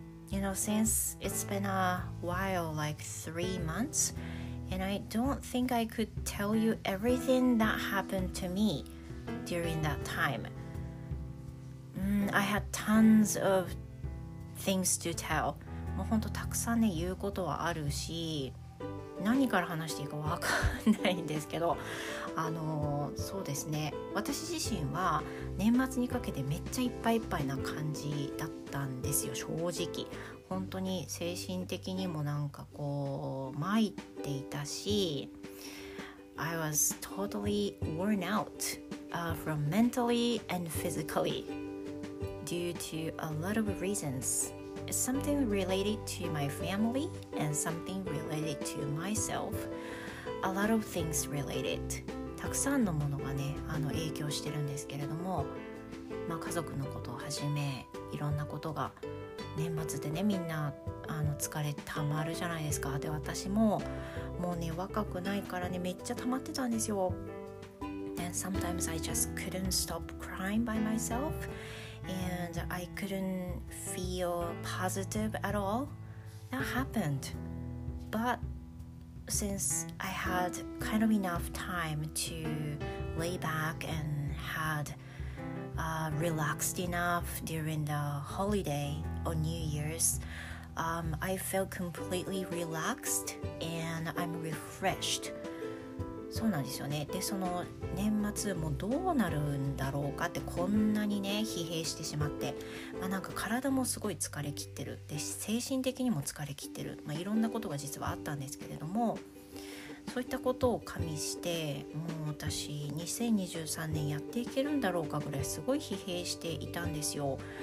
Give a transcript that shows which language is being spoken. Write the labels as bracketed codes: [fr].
[en] You know, since it's been a while, like 3 months, and I don't think I could tell you everything that happened to me during that time. I had tons of things to tell. [ja] もう本当たくさんね、言うことはあるし、何から話していいか分かんないんですけど、そうですね、私自身は年末にかけてめっちゃいっぱいいっぱいな感じだったんですよ。正直本当に精神的にもなんかこう参っていたし、 [en] I was totally worn out、from mentally and physically due to a lot of reasons. It's something related to my family and something related to myself. A lot of things related [ja] たくさんのものがね、影響してるんですけれども、家族のことをはじめいろんなことが、年末でね、みんな疲れたまるじゃないですか。で私ももうね、若くないからね、めっちゃたまってたんですよ。 [en] And sometimes I just couldn't stop crying by myself and I couldn't feel positive at all. That happened. ButSince I had kind of enough time to lay back and had relaxed enough during the holiday or New Year's, I felt completely relaxed and I'm refreshed. [ja] そうなんですよね。で、その年末もどうなるんだろうかって、こんなにね、疲弊してしまって、なんか体もすごい疲れきってる。で、精神的にも疲れきってる。いろんなことが実はあったんですけれども、そういったことを加味して、もう私、2023年やっていけるんだろうかぐらい、すごい疲弊していたんですよ。